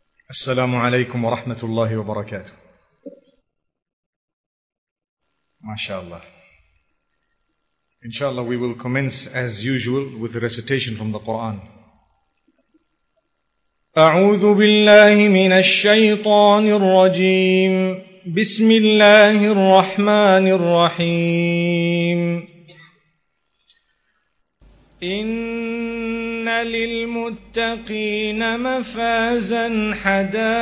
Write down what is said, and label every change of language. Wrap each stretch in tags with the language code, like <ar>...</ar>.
<ar>السلام عليكم ورحمة الله وبركاته. ما شاء الله. إن شاء الله</ar> <en>we will commence as usual with the recitation from the Quran.</en> <ar>أعوذ بالله من الشيطان الرجيم. بسم الله الرحمن الرحيم. إن للمتقين مفازا حدائق</ar>